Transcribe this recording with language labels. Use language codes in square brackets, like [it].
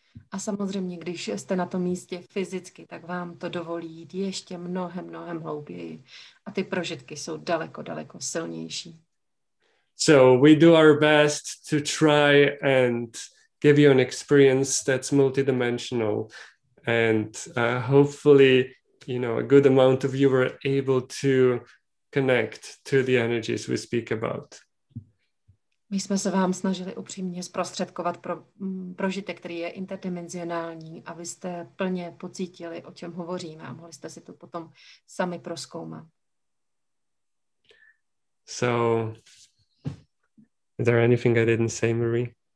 [cs] A samozřejmě, když jste na tom místě fyzicky, tak vám to dovolí jít ještě mnohem, mnohem hlouběji. A ty prožitky jsou daleko, daleko silnější. [en] So we do our best to try and give you an experience that's multidimensional, and hopefully, you know, a good amount of you were able to connect to the energies we speak about. [cs] My jsme se vám snažili upřímně zprostředkovat prožitek, který je interdimenzionální, abyste plně pocítili, o čem hovoříme, a mohli jste si to potom sami prozkoumat. [en] So, is there anything I didn't say, Marie?